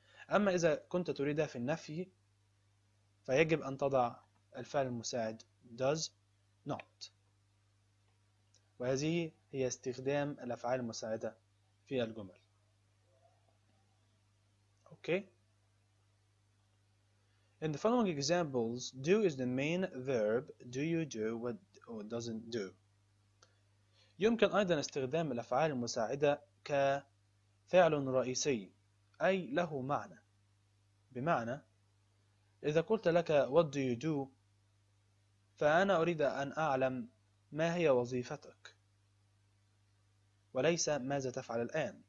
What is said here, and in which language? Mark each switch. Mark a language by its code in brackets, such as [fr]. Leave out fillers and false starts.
[ar] أما إذا كنت تريدها في النفي، فيجب أن تضع الفعل المساعد does not. وهذه هي استخدام الأفعال المساعدة في الجمل. [en] Okay. In the following examples, do is the main verb. Do you do what or doesn't do? [ar] يمكن أيضا استخدام الأفعال المساعدة كفعل رئيسي، أي له معنى. بمعنى إذا قلت لك [en] what do you do، [ar] فأنا أريد أن أعلم ما هي وظيفتك، وليس ماذا تفعل الآن.